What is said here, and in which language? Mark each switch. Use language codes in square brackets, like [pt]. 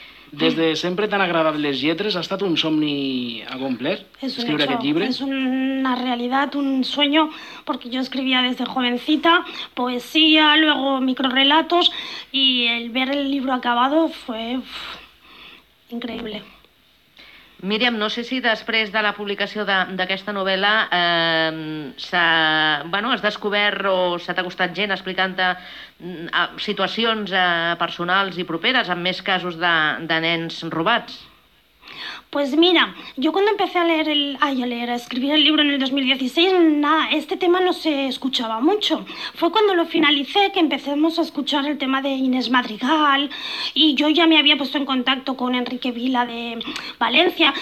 [ca] Des de sempre tan agradables lletres, ha estat un somni a complert, escriure aquest llibre? És una realitat, [es] un sueño, porque yo escribía desde jovencita, poesía, luego microrelatos, y el ver el libro acabado fue increíble. [ca] Míriam, no sé si després de la publicació d'aquesta novel·la has descobert o s'ha acostat gent explicant-te situacions personals i properes amb més casos de nens robats. [es] Pues mira, yo cuando empecé a escribir el libro en el 2016, este tema no se escuchaba mucho. Fue cuando lo finalicé que empezamos a escuchar el tema de Inés Madrigal, y yo ya me había puesto en contacto con Enrique Vila de Valencia.